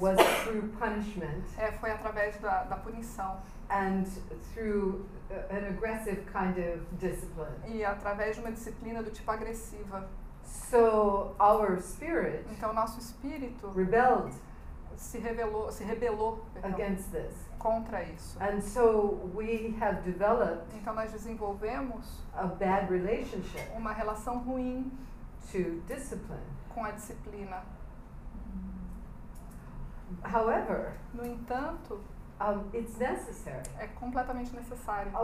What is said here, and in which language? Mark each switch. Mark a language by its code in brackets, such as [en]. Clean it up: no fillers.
[en] was through punishment, [pt] foi através da punição [en] and through an aggressive kind of discipline. [pt] E através de uma disciplina do tipo agressiva. [en] So our spirit, [pt] então nosso espírito [en] rebelled, [pt] se rebelou [en] against this. [pt] Contra isso. [en] And so we have developed, [pt] então nós desenvolvemos [en] a bad relationship, [pt] uma relação ruim [en] to discipline, [pt] com a disciplina. [en] However, [pt] no entanto, [en] it's necessary. [pt] É completamente necessário.